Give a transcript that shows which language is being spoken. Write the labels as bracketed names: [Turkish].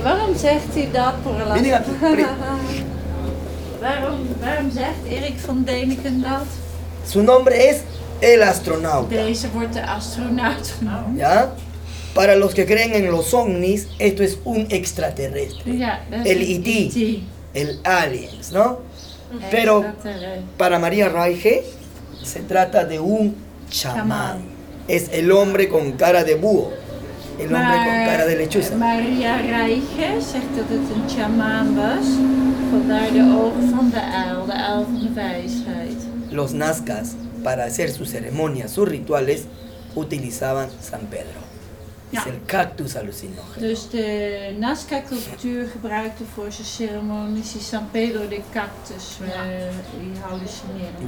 [Dutch] ¿Waarom zegt hij dat por la waarom zegt Erich von Däniken dat? [Spanish] Su nombre es el astronauta. [Dutch] Deze wordt de astronaut genoemd. Ja. [Spanish] Para los que creen en los ovnis, esto es un extraterrestre. [English] Yeah, [Spanish] el ET, el aliens, ¿no? Pero para María Raige se trata de un chamán. Es el hombre con cara de búho, el hombre con cara de lechuza. [Dutch] María Raige zegt dat het een chamán was, vandaar de ogen van de uil van de wijsheid. [Spanish] Los nazcas, para hacer sus ceremonias, sus rituales, utilizaban San Pedro. Es el cactus alucinógeno. [Dutch] Dus de Nazca cultuur gebruikte voor zijn ceremonies San Pedro de cactus, alucinógeno.